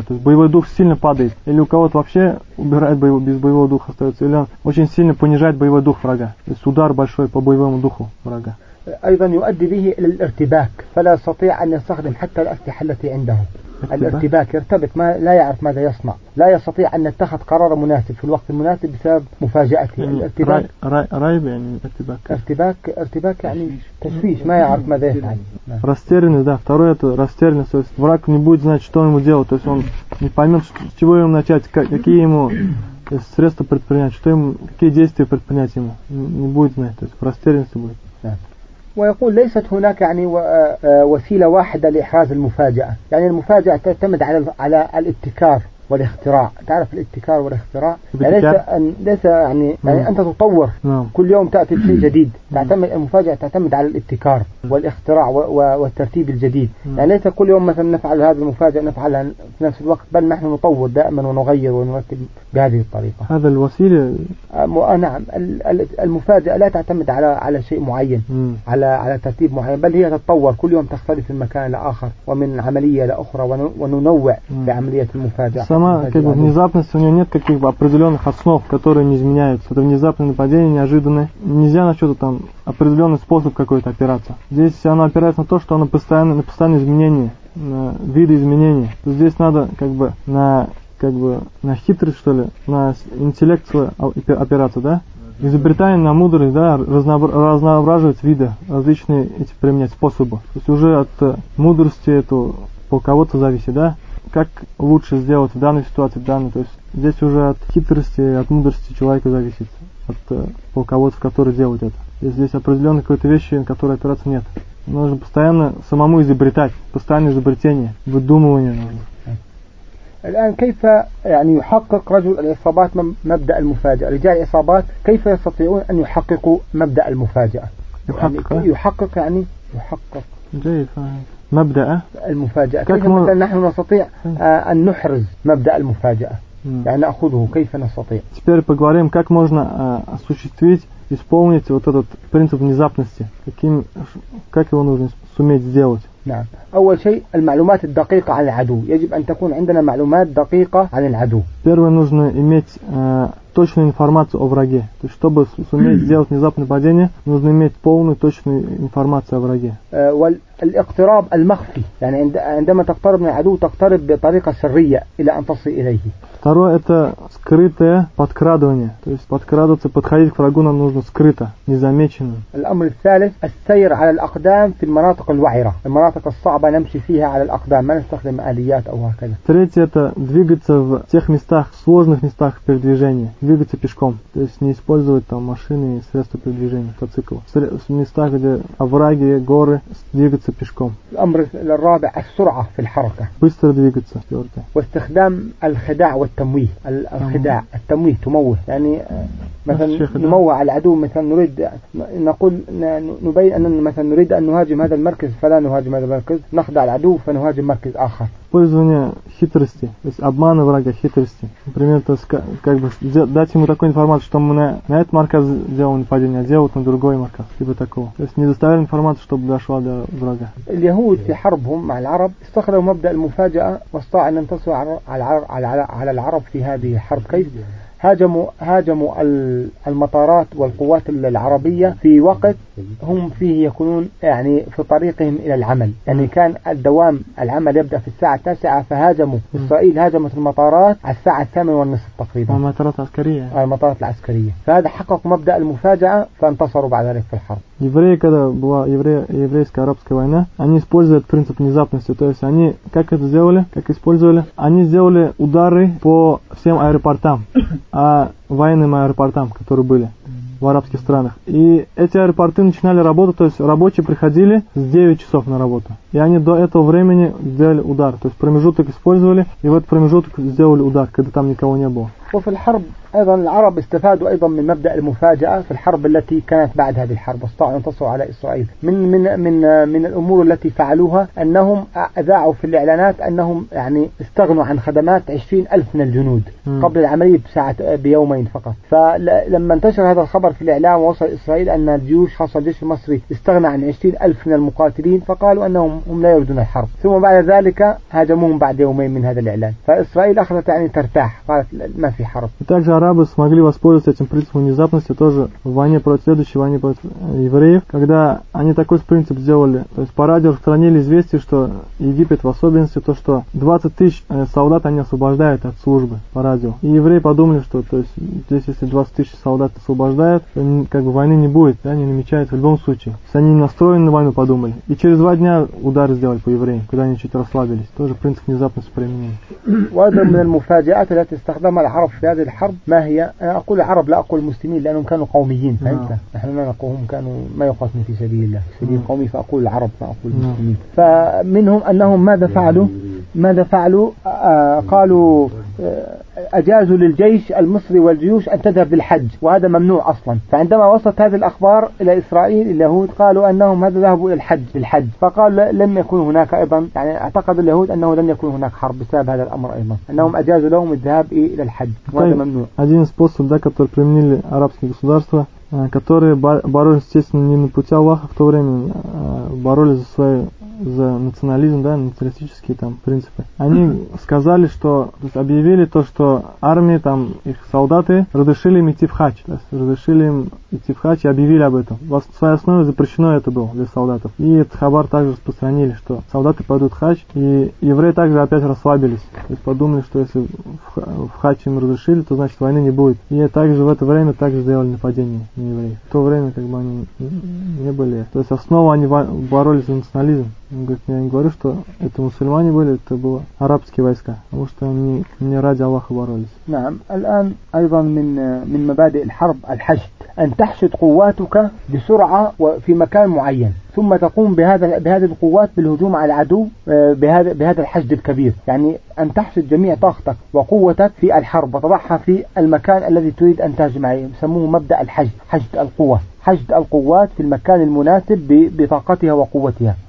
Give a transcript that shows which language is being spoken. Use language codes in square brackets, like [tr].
[ru] То есть боевой дух сильно падает. Или у кого-то вообще убирает боевой, без боевого духа остается. Или он очень сильно понижает боевой дух врага. То есть удар большой по боевому духу врага. [ar] Айдан юадди бихи лил иртибак. Фаля сати ан ясахдим хатта ласиха лати индахум. الارتباك يرتبك ما لا يعرف ماذا يصنع لا يستطيع أن يتخذ قرار مناسب في الوقت المناسب بسبب مفاجأته الارتباك رايب يعني ارتباك ارتباك يعني تشويش ما يعرف ماذا يفعل [ru] растерянность да второе это растерянность то есть враг не будет знать что ему делать то есть он не поймет с чего ему начать какие ему средства предпринять что ему какие действия предпринять ему не будет знать то есть растерянность будет [ar] ويقول ليست هناك يعني وسيلة واحدة لإحراز المفاجأة، يعني المفاجأة تعتمد على الابتكار والاختراع، تعرف الابتكار والاختراع ليس يعني أنت تطور كل يوم تأتي بشيء جديد، تعتمد المفاجأة تعتمد على الابتكار والاختراع والترتيب الجديد، يعني ليس كل يوم مثلا نفعل هذه المفاجأة نفعلها في نفس الوقت، بل نحن نطور دائما ونغير ونرتب بهذه الطريقة. هذا الوسيلة نعم، المفاجأة لا تعتمد على شيء معين على ترتيب معين، بل هي تتطور كل يوم، تختلف من مكان لآخر ومن عملية لأخرى، وننوع بعملية المفاجأة. [ru] Сама как бы внезапность, у нее нет каких бы определенных основ, которые не изменяются. Это внезапное нападение, неожиданное. Нельзя на что-то там определенный способ какой-то опираться. Здесь оно опирается на то, что оно постоянно на постоянное изменение, на виды изменения. Здесь надо как бы на хитрость, что ли, на интеллект свой опираться, да? Изобретание на мудрость, да, разноображивать виды, различные эти применять способы. То есть уже от мудрости эту по кого-то зависит, да? Как лучше сделать в данной ситуации, то есть здесь уже от хитрости, от мудрости человека зависит, от полководцев, которые делают это. Если здесь определенные какие-то вещи, на которые опираться нет. Нужно постоянно самому изобретать, постоянное изобретение, выдумывание нужно. [ar] الآن كيف يعني يحقق رجل الإصابات مبدأ المفاجأة؟ رجال الإصابات كيف يستطيعون أن يحققوا مبدأ المفاجأة؟ يحقق يعني يحقق. كيف؟ مبدأ المفاجأة. كيف مثلا نحن نستطيع أن نحرز مبدأ المفاجأة؟ يعني نأخذه كيف نستطيع؟ [ru] теперь поговорим, как можно осуществить, исполнить вот этот принцип внезапности. Каким, как его нужно суметь сделать? [ar] نعم. أول شيء المعلومات الدقيقة عن العدو. يجب أن تكون عندنا معلومات دقيقة عن العدو. [ru] Первое нужно иметь точную информацию о враге. То есть чтобы суметь сделать внезапное падение, нужно иметь полную точную информацию о враге. [ar] والاقتراب المخفي. يعني عندما تقترب من العدو تقترب بطريقة سرية إلى أن تصل إليه. [ru] Второе это скрытое подкрадывание. То есть подкрадываться, подходить к врагу нам нужно скрыто, незамеченным. [ar] الأمر الثالث السير على الأقدام في المناطق الوعرة. المناطق الصعبة نمشي فيها على الأقدام. ما نستخدم آليات أو هكذا. [ru] Третье это двигаться в тех местах, сложных местах передвижения. Двигаться пешком. То есть не использовать там машины и средства передвижения, мотоцикл. В местах, где овраги, горы, двигаться пешком. [ar] الأمر الرابع السرعة في الحركة. [ru] Быстро двигаться. Четвертое. [ar] واستخدام الخداع والتمويه الخداع التمويه تموه يعني مثلا نموه على العدو مثلا نريد نقول نبين أننا مثلا نريد أن نهاجم هذا المركز فلا نهاجم هذا المركز نخدع العدو فنهاجم مركز آخر [ru] использование хитрости, то есть обмана врага хитрости. Например, то есть как бы дать ему такую информацию, что мы на этот марказ сделали нападение, а делают на другой марказ, либо такого. То есть не доставили информацию, чтобы дошла до врага. [ar] اليهود في حربهم مع العرب استخدموا مبدأ المفاجأة واستطاع أن ينتصروا على العرب في هذه الحرب. كيف هاجموا المطارات والقوات العربية في وقت هم فيه يكونون يعني في طريقهم إلى العمل، يعني كان الدوام العمل يبدأ في الساعة 9، فهاجموا إسرائيل هاجمت المطارات على الساعة 8:30 تقريبا، المطارات العسكرية فهذا حقق مبدأ المفاجأة فانتصروا بعد ذلك في الحرب. [ru] Евреи, когда была еврейско-арабская война, они использовали принцип внезапности. То есть они как это сделали, как использовали? Они сделали удары по всем аэропортам, а военным аэропортам, которые были в арабских странах. И эти аэропорты начинали работать, то есть рабочие приходили с 9 часов на работу. И они до этого времени сделали удар, то есть промежуток использовали, и в этот промежуток сделали удар, когда там никого не было. [ar] وفي الحرب أيضا العرب استفادوا أيضا من مبدأ المفاجأة في الحرب التي كانت بعد هذه الحرب واستطاعوا أن ينتصروا على إسرائيل. من من من من الأمور التي فعلوها أنهم أذاعوا في الإعلانات أنهم يعني استغنوا عن خدمات 20,000 من الجنود قبل العملية بساعة بيومين فقط. فلما انتشر هذا الخبر في الإعلام ووصل إسرائيل أن الجيوش خاصة الجيش المصري استغنى عن 20,000 من المقاتلين، فقالوا أنهم هم لا يريدون الحرب. ثم بعد ذلك هاجموهم بعد يومين من هذا الإعلان. فإسرائيل أخذت يعني ترتاح. قالت [ru] И также арабы смогли воспользоваться этим принципом внезапности тоже в войне против следующей войне против евреев, когда они такой принцип сделали, то есть по радио распространили известие, что Египет в особенности, то что 20 тысяч солдат они освобождают от службы по радио. И евреи подумали, что то есть, здесь если 20 тысяч солдат освобождают, то как бы войны не будет, да, не намечается в любом случае. То есть они настроены на войну, подумали. И через два дня удар сделали по евреям, когда они чуть расслабились. Тоже принцип внезапности применения. [ar] وأيضاً من المفاجآت التي استخدمها العرب في هذه الحرب ما هي؟ أنا أقول العرب لا أقول المسلمين لأنهم كانوا قوميين. فهمت؟ نحن لا نقولهم كانوا ما يقاتلون في سبيل الله. سبيل قومي فأقول العرب ما أقول المسلمين. فمنهم أنهم ماذا فعلوا؟ ماذا فعلوا؟ قالوا أجازوا للجيش المصري والجيوش أن تذهب للحج وهذا ممنوع أصلا. فعندما وصلت هذه الأخبار إلى إسرائيل اليهود قالوا أنهم هذا ذهبوا إلى الحج للحج. فقال لم يكن هناك أيضا يعني اعتقد اليهود أنه لم يكن هناك حرب بسبب هذا الأمر أيضا أنهم أجازوا لهم الذهاب إلى الحج وهذا ممنوع. [ru] один способ да который применили арабские государства которые боролись естественно не на пути Аллаха в то время боролись за свои за национализм, да, националистические там принципы. Они сказали, что, то есть объявили то, что армии, там, их солдаты разрешили им идти в хадж, то есть разрешили им идти в хадж и объявили об этом. В своей основе запрещено это было для солдатов. И этот хабар также распространили, что солдаты пойдут в хадж, и евреи также опять расслабились. То есть подумали, что если в хадж им разрешили, то значит войны не будет. И также в это время также сделали нападение на евреев. В то время как бы они не были. То есть основа они боролись за национализм. Он говорит, я не говорю, что это мусульмане были, это были арабские войска, потому что они не ради Аллаха боролись. [ar] نعم. الآن أيضا من مبادئ الحرب الحشد أن تحشد قواتك بسرعة وفي مكان معين. ثم تقوم بهذه القوات بالهجوم على العدو بهذا الحشد الكبير يعني أن تحشد جميع طاقتك وقوتك في الحرب وتضعها في المكان الذي تريد أن تهجم عليه يسموه مبدأ الحشد حشد القوات حشد القوات في المكان المناسب بطاقتها وقوتها